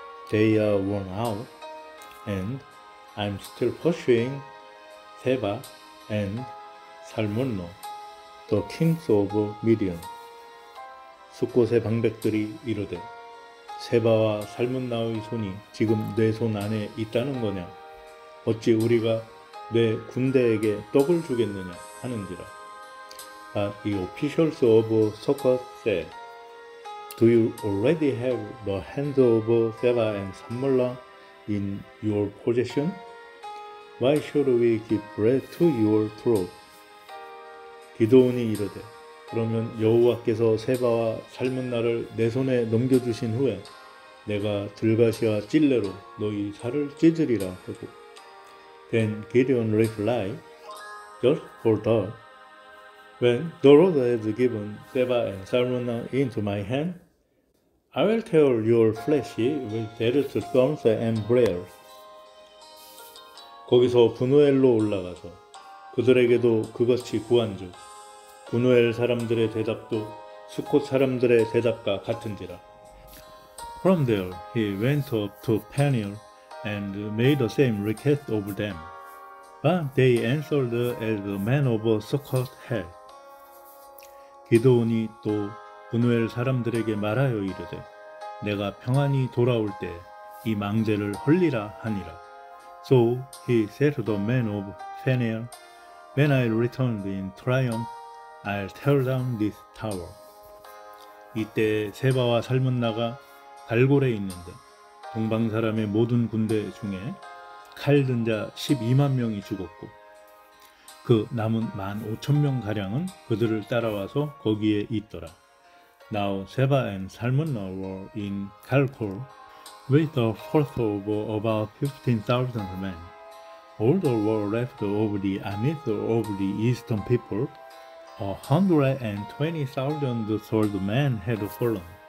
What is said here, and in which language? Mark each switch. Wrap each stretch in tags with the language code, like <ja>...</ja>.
<en>They are worn out, and I'm still pursuing Seba and Salmunna, the kings of Midian.</en> <ko>숫곳의 방백들이 이르되 세바와 살문나의 손이 지금 내 손 안에 있다는 거냐? 어찌 우리가 내 군대에게 떡을 주겠느냐 하는지라.</ko> <en>But the officials of Succoth said, Do you already have the hand of Seba and Salmunna in your possession? Why should we give bread to your troops?</en> <ko>기드온이 이르되 그러면 여호와께서 세바와 살문나를 내 손에 넘겨주신 후에 내가 들가시와 찔레로 너희 살을 찢으리라 하고</ko> <en>Then Gideon replied, Just for that, when the Lord has given Seba and Salmunna into my hand, I will tear your flesh with various thorns and briars.</en> <ko>거기서 분우엘로 올라가서 그들에게도 그것이 구한즉 분우엘 사람들의 대답도 수콧 사람들의 대답과 같은지라.</ko> <en>From there he went up to Peniel and made the same request of them. But they answered as the man of Succoth had.</en> <ko>기드온이 또 분우엘 사람들에게 말하여 이르되 내가 평안히 돌아올 때 이 망대를 헐리라 하니라.</ko> <en>So he said to the man of Peniel, When I returned in triumph, I'll tear down this tower.</en> <ko>이때 세바와 살문나가 갈골에 있는데 동방 사람의 모든 군대 중에 칼 든 자 12만 명이 죽었고 그 남은 만 5천 명 가량은 그들을 따라와서 거기에 있더라.</ko> <en>Now Seba and Salmunna were in Kalkor with a force of about 15,000 men. All that were left of the armies of the eastern people, 120,000 sword men had fallen.</en>